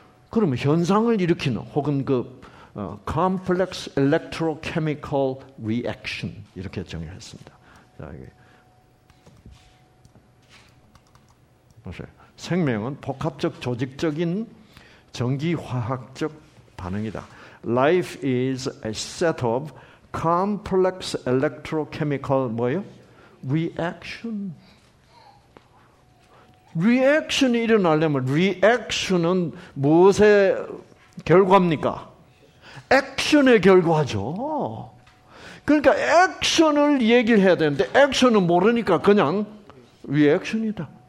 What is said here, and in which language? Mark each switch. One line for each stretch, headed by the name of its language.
Korean: 그러면 현상을 일으키는 혹은 그
English: complex electrochemical reaction
Korean: 이렇게 정의했습니다. 자, 이게 보세요. 생명은 복합적 조직적인 전기화학적 반응이다.
English: Life is a set of complex electrochemical
Korean: 뭐예요?
English: Reaction.
Korean: Reaction이 일어나려면 reaction은 무엇의 결과입니까? Action의 결과죠. 그러니까 action을 얘기를 해야 되는데 action은 모르니까 그냥 reaction이다.